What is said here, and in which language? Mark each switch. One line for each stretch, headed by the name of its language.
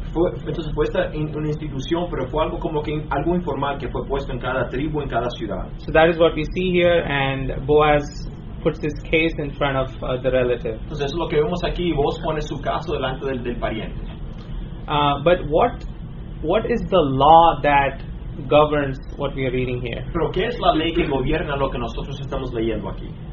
Spanish: Entonces fue esta una institución, pero fue algo como que algo informal que fue puesto en cada tribu, en cada ciudad.
English: So that is what we see here, and Boaz puts his case in front of the relative.
Spanish: Entonces eso es lo que vemos aquí, Boaz pone su caso delante del pariente.
English: But what is the law that governs what we are reading here?
Spanish: Pero ¿qué es la ley que gobierna lo que nosotros estamos leyendo aquí?